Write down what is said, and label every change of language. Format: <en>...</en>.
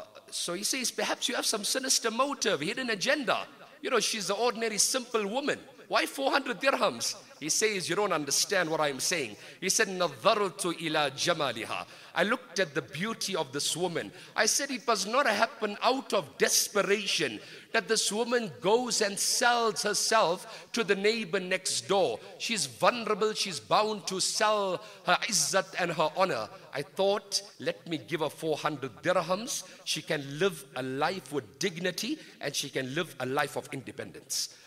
<en>So he says, perhaps you have some sinister motive, hidden agenda. You know, she's an ordinary, simple woman. Why 400 dirhams? He says, you don't understand what I'm saying. He said,</en> <ar>نَظَّرْتُ إِلَىٰ جَمَالِهَا.</ar> <en>I looked at the beauty of this woman. I said, it does not happen out of desperation that this woman goes and sells herself to the neighbor next door. She's vulnerable. She's bound to sell her izzat and her honor. I thought, let me give her 400 dirhams. She can live a life with dignity, and she can live a life of independence.</en>